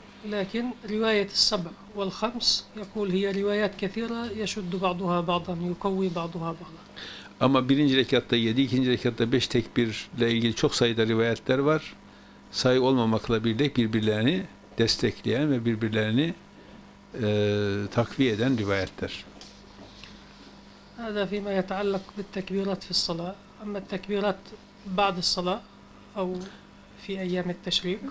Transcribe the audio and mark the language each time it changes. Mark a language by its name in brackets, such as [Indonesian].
[Turkish] Lakin rivayet-i sab' ve khams [Arabic] يقول هي روايات كثيره يشد بعضها بعضا يقوي بعضها بعضا. [Turkish] Ama birinci rekatta 7, ikinci rekatta 5 tekbirle ilgili çok sayıda rivayetler var. Sahih olmamakla birlikte birbirlerini destekleyen ve birbirlerini takviye eden rivayetler. [Arabic] هذا فيما يتعلق بالتكبيرات في الصلاة، أما التكبيرات بعد الصلاة أو في أيام التشريق.